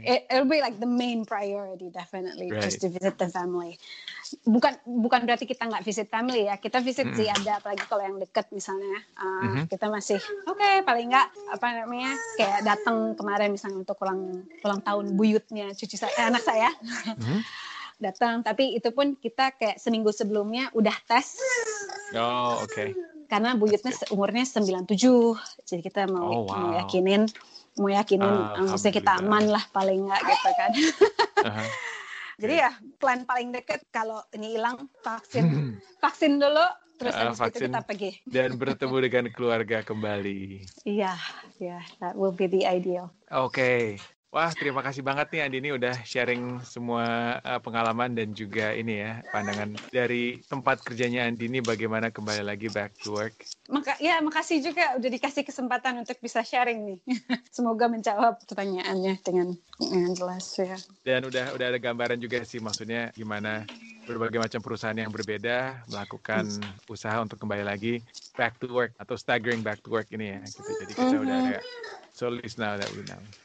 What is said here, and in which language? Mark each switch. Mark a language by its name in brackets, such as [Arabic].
[English] It'll be like the main priority definitely, just to visit the family. [Indonesian] Bukan berarti kita nggak visit family ya, kita visit sih ada, apalagi kalau yang deket misalnya. Kita masih paling nggak kayak datang kemarin misalnya untuk ulang tahun buyutnya cucu saya, anak saya. Datang, tapi itu pun kita kayak seminggu sebelumnya udah tes. Oh, oke. karena buyutnya umurnya 97, jadi kita mau meyakinin maksudnya kita aman lah paling nggak gitu kan. Jadi ya plan paling deket kalau ini hilang vaksin dulu, terus habis itu kita pergi dan bertemu dengan keluarga kembali. [English] Iya, yeah, that will be the ideal. [Indonesian] Okay. Wah, terima kasih banget nih Andini udah sharing semua pengalaman dan juga ini ya, pandangan dari tempat kerjanya Andini bagaimana kembali lagi [English] back to work. [Indonesian] Ya, makasih juga udah dikasih kesempatan untuk bisa sharing nih. Semoga menjawab pertanyaannya dengan jelas ya. Dan udah ada gambaran juga sih maksudnya gimana berbagai macam perusahaan yang berbeda melakukan usaha untuk kembali lagi back to work atau [English] staggering back to work [Indonesian] ini ya. Gitu. Jadi kita udah agak [English] so least now that we know.